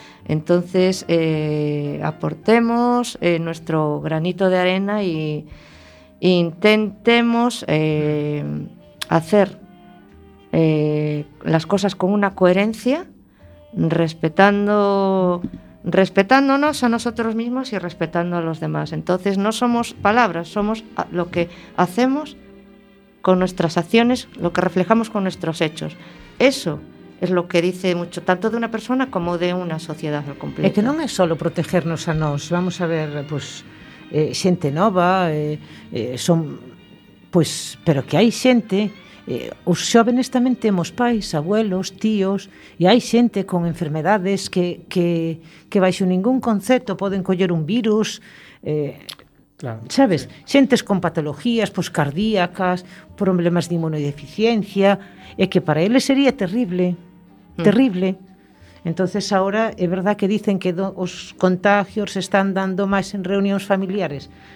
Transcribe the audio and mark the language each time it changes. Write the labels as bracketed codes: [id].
[es] Entonces aportemos nuestro granito de arena y intentemos hacer las cosas con una coherencia, respetándonos a nosotros mismos y respetando a los demás. Entonces no somos palabras, somos lo que hacemos con nuestras acciones, lo que reflejamos con nuestros hechos. Eso es lo que dice mucho, tanto de una persona como de una sociedad al completo. [gl] Es que no es solo protegernos a nos, vamos a ver, pues, xente nova, son, pues, pero que hai xente, os xóvenes tamén temos pais, abuelos, tíos, e hai xente con enfermedades que baixo ningún concepto poden coller un virus, claro, sabes? Sí. Xentes con patologías, pues, cardíacas, problemas de inmunodeficiencia, e que para eles sería terrible, terrible. Entonces ahora é verdad que dicen que os contagios se están dando máis en reunións familiares.